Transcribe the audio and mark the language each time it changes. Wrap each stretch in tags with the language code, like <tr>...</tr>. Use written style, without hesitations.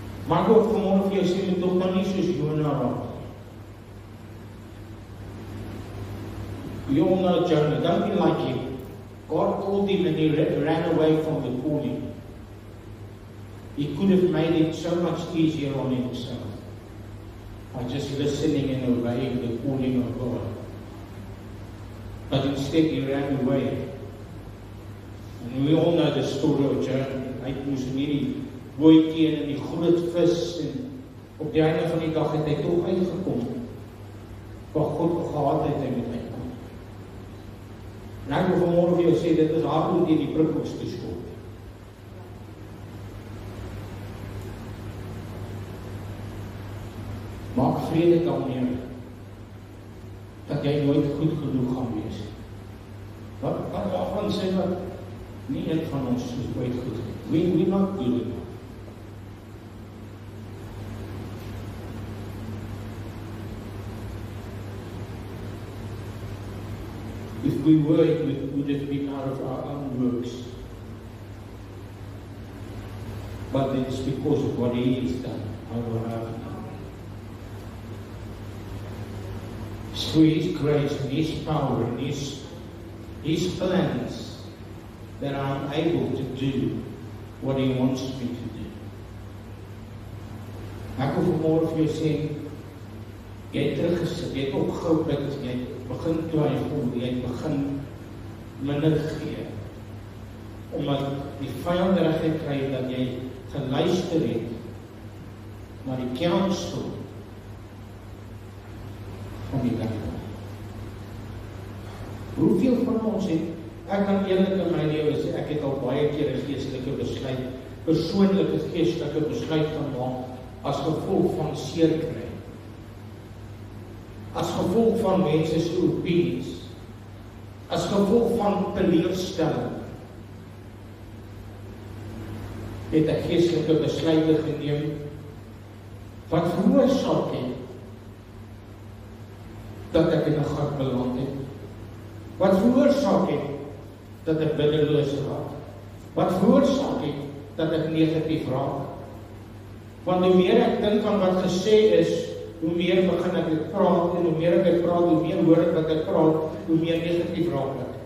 <af>Maar ook vanmorgen vir jou sê, jy toch dan nie soos Jonah raak.</af> <en>We all know Jonah, don't be like him. God called him and he ran away from the calling. He could have made it so much easier on himself by just listening and obeying the calling of God. But instead he ran away. And we all know the story of Jonah.</en> <af>Hy moes in hierdie bootjie en in die groot vis en op die einde van die dag het hy toch uitgekom. Wat God gehad het, hy moet uitkom. En ek wil vanmorgen vir jou sê, dit is hard om die prikkels te skop. Maak vrede daarmee dat jy nooit goed genoeg gaan wees. Wat daarvan sê wat nie een van ons is ooit goed.</af> <en>We not good enough. If we were, it would have been out of our own works. But it is because of what He has done on our behalf. Through His grace and His power and His plans that I am able to do what He wants me to do.</en> <af>Ek wil vanmorgen vir jou sê, jy het teruggesit, jy het opgehou bid, jy het begin twyfel, jy het begin minder gee, omdat die vyand reg gekry het dat jy geluister het na die counsel van die dag. Hoeveel van ons het, ek kan eerlik in my lewe sê, ek het al baie keer een geestelike besluit, persoonlike geestelike besluit gemaak, as gevolg van seer kry. As gevolg van mense se opinies. As gevolg van teleurstelling. Het ek geestelike besluit geneem, wat veroorsaak het, dat ek in 'n gat beland het. Wat veroorsaak het, dat ek biddeloos raak. Wat veroorsaak het, dat ek negatief raak. Want hoe meer ek dink aan wat gesê is, hoe meer begin ek dit praat, en hoe meer ek dit praat, hoe meer hoor ek wat ek praat, hoe meer negatief raak ek.</af>